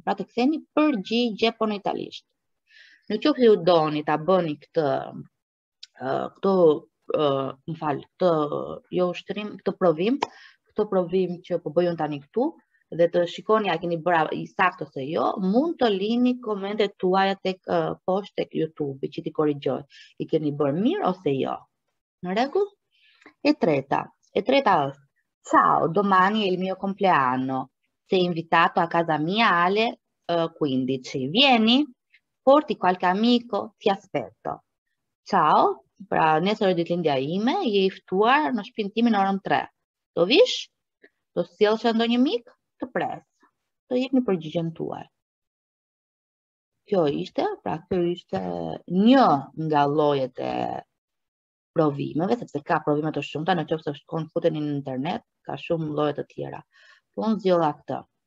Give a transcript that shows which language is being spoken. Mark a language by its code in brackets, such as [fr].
[sq] Pra të ktheni për gjigje po në italisht. Në që ju doni të bëni këtë provim që po bëjun tani këtu, dhe të shikoni a keni bërë i saktë ose jo, mund të lini komentet tuaja tek poshtë tek YouTube, që ti korrigjoj. I keni bërë mirë ose jo? Në rregull? [it] E treta është: "Ciao, domani è il mio compleanno. Sei invitato a casa mia alle 15. Vieni? Porti qualche amico, ti aspetto." [sq] Ciao, pra nesër ditëlindja ime, je i ftuar në shtëpinë time në orën 3. Do vish? Do sjellsh ndonjë mik? Të pres, të jepni përgjigjen tuaj. Kjo ishte një nga llojet e provimeve, sepse ka provime të shumta, në qoftë se shkon futeni në internet, ka shumë lloje të tjera. Po unë zgjodha këtë.